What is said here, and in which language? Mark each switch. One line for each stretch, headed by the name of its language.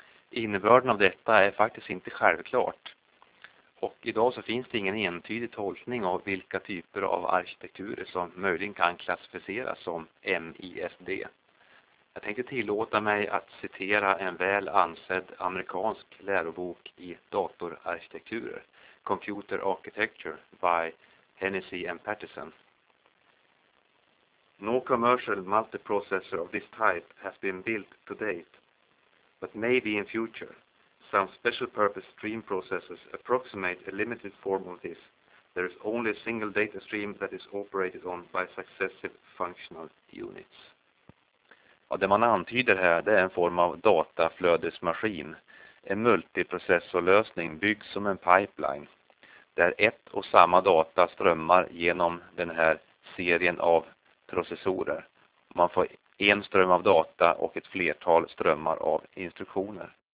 Swedish: Innebörden av detta är faktiskt inte självklart. Och idag så finns det ingen entydig tolkning av vilka typer av arkitekturer som möjligen kan klassificeras som MISD. Jag tänkte tillåta mig att citera en väl ansedd amerikansk lärobok i datorarkitekturer, Computer Architecture by Hennessy and Patterson.
English: No commercial multiprocessor of this type has been built to date, but maybe in future, some special purpose stream processors approximate a limited form of this. There is only a single data stream that is operated on by successive functional units.
Swedish: Ja, det man antyder här, det är en form av dataflödesmaskin. En multiprocessorlösning byggs som en pipeline där ett och samma data strömmar genom den här serien av processorer. Man får en ström av data och ett flertal strömmar av instruktioner.